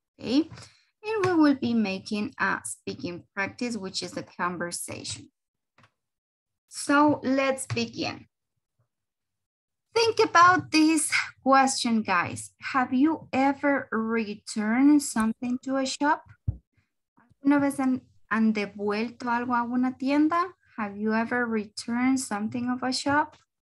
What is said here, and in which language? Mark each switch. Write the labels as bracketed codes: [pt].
[en] Okay, and we will be making a speaking practice, which is a conversation. So let's begin. Think about this question, guys. Have you ever returned something to a shop? [es] ¿Alguna vez han devuelto algo a una tienda? [en] Have you ever returned something of a shop?